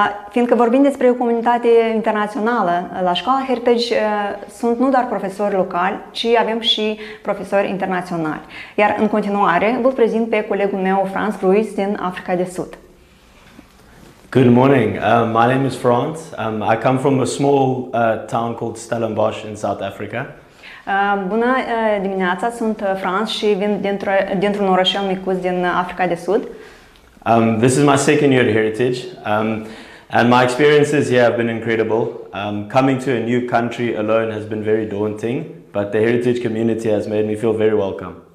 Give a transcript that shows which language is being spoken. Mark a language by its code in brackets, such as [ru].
[ro] Fiindcă vorbim despre o comunitate internațională, la școala Heritage sunt nu doar profesori locali, ci avem și profesori internaționali. Iar în continuare vă prezint pe colegul meu, Franz Ruiz, din Africa de Sud. [en] Good morning. My name is Franz. I come from a small town called Stellenbosch in South Africa. [ro] Bună dimineața, sunt Franz și vin dintr-un orașel micuț din Africa de Sud. [en] This is my second year at Heritage, and my experiences here have been incredible. Coming to a new country alone has been very daunting, but the Heritage community has made me feel very welcome.